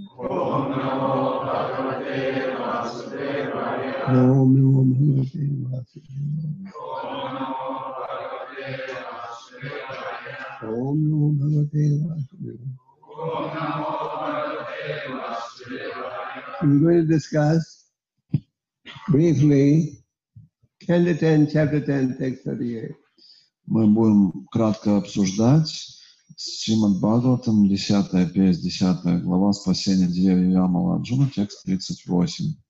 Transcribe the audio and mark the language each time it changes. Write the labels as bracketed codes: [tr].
[sa] Ом намо Бхагавате Васудевая. Ом намо Бхагавате Васудевая. Ом намо Бхагавате Васудевая. Ом намо Бхагавате Васудевая. [en] We're going to discuss briefly Canto 10, Chapter 10, Text 38. [ru] Мы будем кратко обсуждать Шримад Бхагаватам, 10-я песня, 10-я глава, спасение деревьев Ямала Арджуна, текст 38.